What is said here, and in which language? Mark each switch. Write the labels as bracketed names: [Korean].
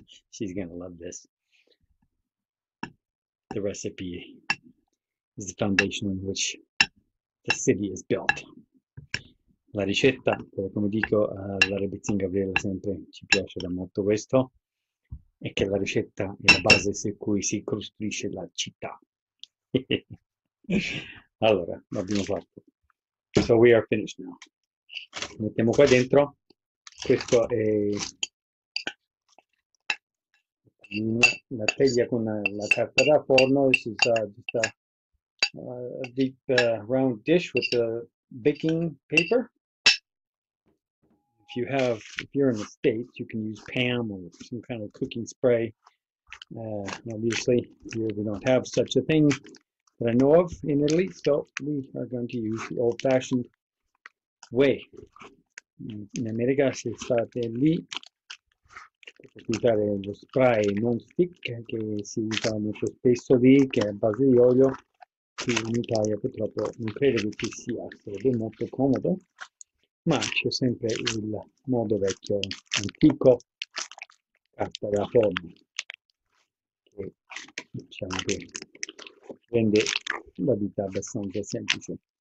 [English] She's gonna love this. The recipe is the foundation on which the city is built. [Italian] La ricetta, come dico alla Rebizin Gabriella sempre, ci piace da molto questo, è che la ricetta è la base su cui si costruisce la città. Allora, l'abbiamo fatto. [English] So we are finished now. [Italian] Mettiamo qua dentro. Questo è la teglia con la carta da forno. [English] This is just a deep round dish with the baking paper. If you're in the States, you can use Pam or some kind of cooking spray. Obviously, here we don't have such a thing that I know of in Italy, so we are going to use the old-fashioned way. [Italian] In America, se state lì, potete usare lo spray non stick, che si usa molto spesso lì, che è a base di olio. Qui in Italia purtroppo non credo che ci sia, sarebbe molto comodo, ma c'è sempre il modo vecchio, antico, carta da forno, che diciamo che rende la vita abbastanza semplice.